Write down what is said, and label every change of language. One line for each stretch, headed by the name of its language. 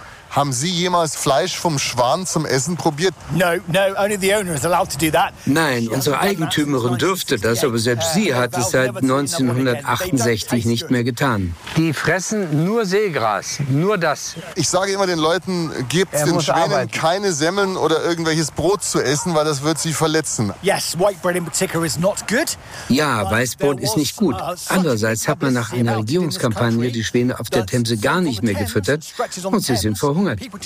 German: Haben Sie jemals Fleisch vom Schwan zum Essen probiert?
English: No, no, only the owner is allowed to do that.
German: Nein, unsere Eigentümerin dürfte das, aber selbst sie hat es seit 1968 nicht mehr getan. Die fressen nur Seegras, nur das. Ich sage immer den Leuten, gebt den Schwänen keine Semmeln oder irgendwelches Brot zu essen, weil das wird sie verletzen.
English: Yes, white bread in particular is not good.
German: Ja, Weißbrot ist nicht gut. Andererseits hat man nach einer Regierungskampagne die Schwäne auf der Themse gar nicht mehr gefüttert und sie sind verhungert.